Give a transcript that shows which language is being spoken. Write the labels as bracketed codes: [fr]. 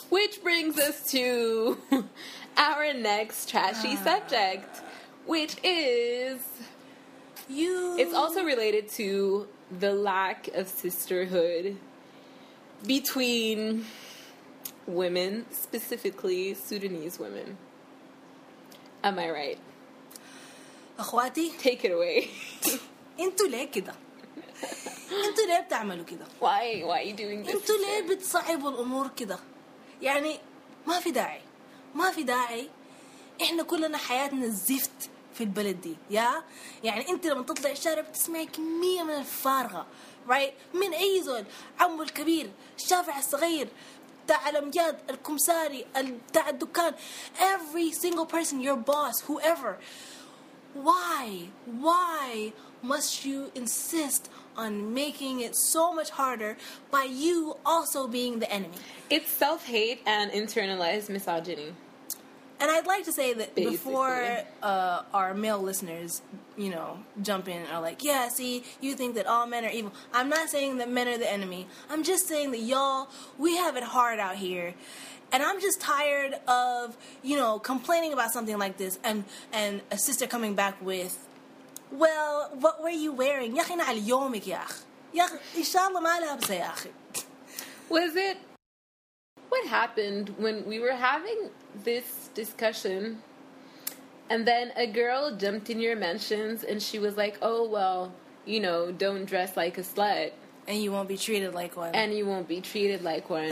[en] Which brings us to our next trashy subject, which is. It's also related to the lack of sisterhood between women, specifically Sudanese women. Am I right? [ar] أخواتي. [en] Take it away. [ar] أنتوا ليه كده؟ أنتوا ليه بتعملوا كده؟ [en] Why are you doing this? [ar] أنتوا ليه بتصعبوا الأمور كده؟ يعني ما في داعي. ما في داعي. إحنا كلنا حياتنا زفت في البلد دي. يا يعني أنت لما تطلع الشارع بتسمع كمية من الفارغة. [en] Right؟ [ar] من أي زول؟ عمو الكبير، الشافع الصغير، تاع الأمجاد، الكمساري، تاع الدكان. [en] Every single person, your boss, whoever. Why must you insist on making it so much harder by you also being the enemy? It's self-hate and internalized misogyny. And I'd like to say that basically, before our male listeners, you know, jump in and are like, yeah, see, you think that all men are evil. I'm not saying that men are the enemy. I'm just saying that y'all, we have it hard out here. And I'm just tired of, you know, complaining about something like this and a sister coming back with, well, what were you wearing? [ar] يخي نعل يومك ياخ. ياخ, إن شاء الله ما لابسة ياخي. [en] Was it, what happened when we were having this discussion and then a girl jumped in your mentions and she was like, oh, well, you know, don't dress like a slut. And you won't be treated like one. And you won't be treated like one.